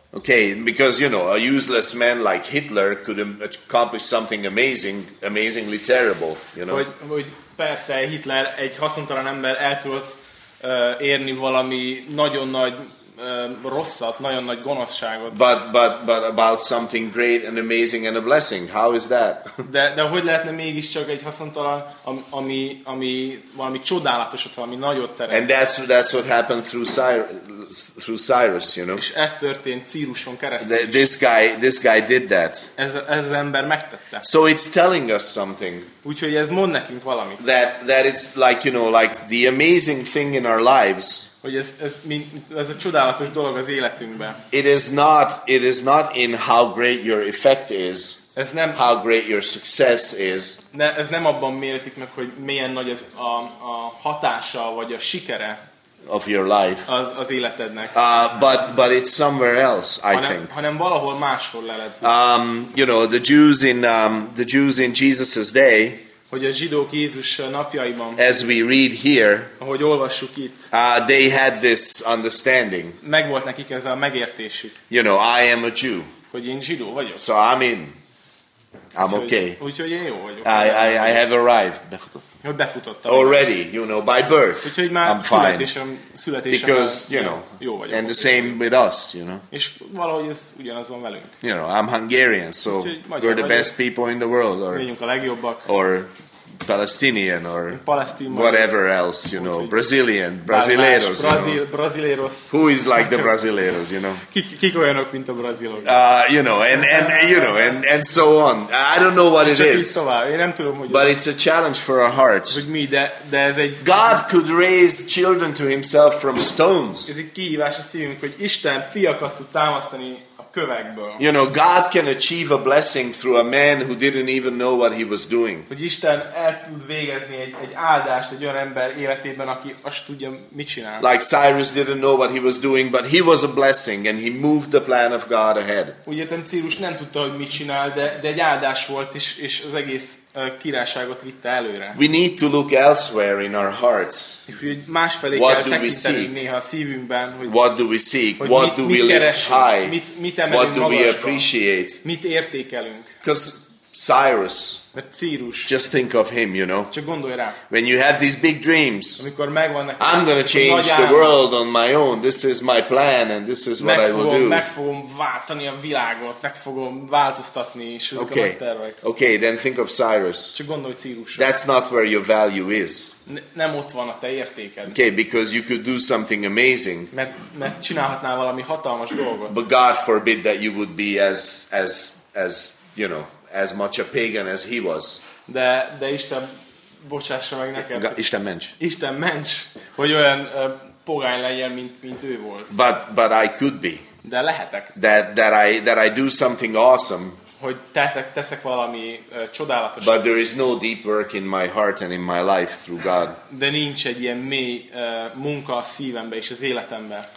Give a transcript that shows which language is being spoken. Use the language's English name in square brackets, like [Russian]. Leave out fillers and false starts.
[English] Okay, because you know, a useless man like Hitler could accomplish something amazingly terrible, you know. [Hungarian] Hogy persze Hitler egy haszontalan ember el tudott érni valami nagyon nagy rosszat, nagyon nagy gonoszságot. [English] But about something great and amazing and a blessing. How is that? [Hungarian] De hogy lehetne mégiscsak egy haszontalan, ami valami csodálatosat, valami nagyot teremt. [English] And that's what happened through Cyrus, you know. [Hungarian] És ez történt Círuson keresztül. [English] This guy did that. [Hungarian] Ez az ember megtette. [English] So it's telling us something. [Hungarian] Úgyhogy ez mond nekünk valamit. [English] That it's like, you know, like the amazing thing in our lives. [Hungarian] Hogy ez a csodálatos dolog az életünkben. [English] It is not in how great your effect is. [Hungarian] Ez nem, [English] how great your success is. [Hungarian] Ne, ez nem abban méretik meg, hogy milyen nagy ez a hatása vagy a sikere [English] of your life. [Hungarian] Az, az életednek. [English] But it's somewhere else, I think. [Hungarian] Hanem valahol máshol leledzik. [English] You know, the Jews in Jesus's day, [Hungarian] hogy a zsidók Jézus napjaiban, [English] as we read here, [Hungarian] ahogy olvassuk itt, [English] they had this understanding. [Hungarian] Megvolt nekik ez a megértésük. [English] You know, I am a Jew. [Hungarian] Hogy én zsidó vagyok. [English] So I'm in. I'm okay. [Hungarian] Úgyhogy én jó vagyok. [English] I have arrived. [Hungarian] Befutottam. [English] Already, you know, by birth. [Hungarian] Úgyhogy már [English] I'm fine. [Hungarian] Születésem [English] because, you know, [Hungarian] jó vagyok. [English] And the same with us, you know. [Hungarian] És valahogy ez ugyanaz van velünk. [English] You know, I'm Hungarian, so we're the best people in the world. Or, [Hungarian] a legjobbak. [English] Or Palestinian, or whatever else, you know, Brazilian, brasileiros, who is like the brasileiros, you know? [Hungarian] Kik olyanok, mint a brazilok? [English] You know, and you know, and so on. I don't know what it is, but it's a challenge for our hearts. God could raise children to Himself from stones. [Hungarian] Ez egy kihívás a szívünk, hogy Isten fiakat tud támasztani. [English] You know, God can achieve a blessing through a man who didn't even know what he was doing. [Hungarian] Hogy Isten el tud végezni egy áldást egy olyan ember életében, aki azt tudja, mit csinál. [English] Like Cyrus didn't know what he was doing, but he was a blessing and he moved the plan of God ahead. [Hungarian] Úgy értem, Cyrus nem tudta, hogy mit csinál, de egy áldás volt, és az egész királyságot vitte előre. [English] We need to look elsewhere in our hearts. [Hungarian] Másfelé kell tekintenünk néha a szívünkben, hogy [English] what do we seek? What do we lift high? [Hungarian] Mit emelünk magasra? [English] What do we appreciate? [Hungarian] Mit értékelünk? [English] Because Cyrus. [Hungarian] Mert Cyrus. [English] Just think of him, you know. [Hungarian] Csak gondolj rá. [English] When you have these big dreams, [Hungarian] amikor megvannak, [English] I'm going to change the world on my own. This is my plan and this is what I will do. [Hungarian] Meg fogom váltani a világot, meg fogom változtatni, és ezek [English] okay. [Hungarian] A nagy tervek. [English] Okay, then think of Cyrus. [Hungarian] Csak gondolj Cyrusra. [English] That's not where your value is. [Hungarian] Nem ott van a te értéked. [English] Okay, because you could do something amazing. [Hungarian] Mert csinálhatnál valami hatalmas dolgot. [English] But God forbid that you would be as you know, as much a pagan as he was. [Hungarian] De Isten bocsássa meg neked. Isten ments. Isten ments, hogy olyan pogány legyen, mint ő volt. [English] But I could be. [Hungarian] De lehetek. [English] That I do something awesome. [Hungarian] Hogy teszek valami csodálatos. [English] But there is no deep work in my heart and in my life through God. [Hungarian] De nincs egy ilyen mély munka a szívembe és az életembe.